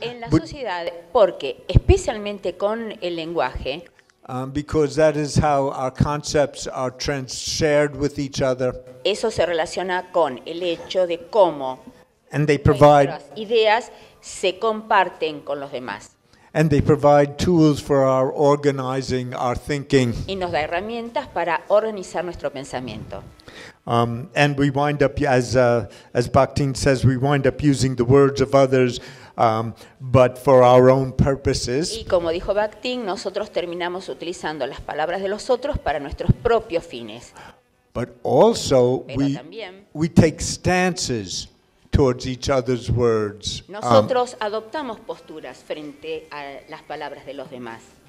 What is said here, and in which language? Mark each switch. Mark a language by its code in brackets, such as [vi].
[es] En la sociedad, porque especialmente con el lenguaje. [en] Because that is how our concepts are shared with each other. [es] Eso se relaciona con el hecho de cómo. [en] And they provide [es] ideas se comparten con los demás. [en] And they provide tools for our organizing our thinking. [es] Y nos da herramientas para organizar nuestro pensamiento. [en] And we wind up, as Bakhtin says, we wind up using the words of others, but for our own purposes. [es] Y como dijo Bakhtin, nosotros terminamos utilizando las palabras de los otros para nuestros propios fines. [en] But also, we take stances towards each other's words. [es] Nosotros adoptamos posturas frente a las palabras de los demás.